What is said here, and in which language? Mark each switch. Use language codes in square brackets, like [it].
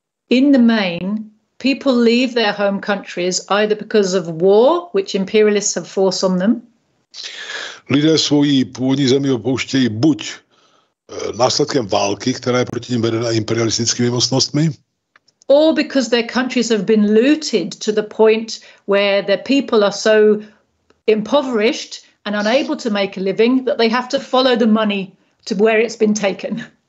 [en] In the main, people leave their home countries either because of war, which imperialists have forced on them. [cs] Lidé svoji původní zemi opouštějí buď následkem války, která je proti nim vedena imperialistickými mocnostmi, [en] or because their countries have been looted to the point where their people are so impoverished and unable to make a living that they have to follow the money to where it's been taken.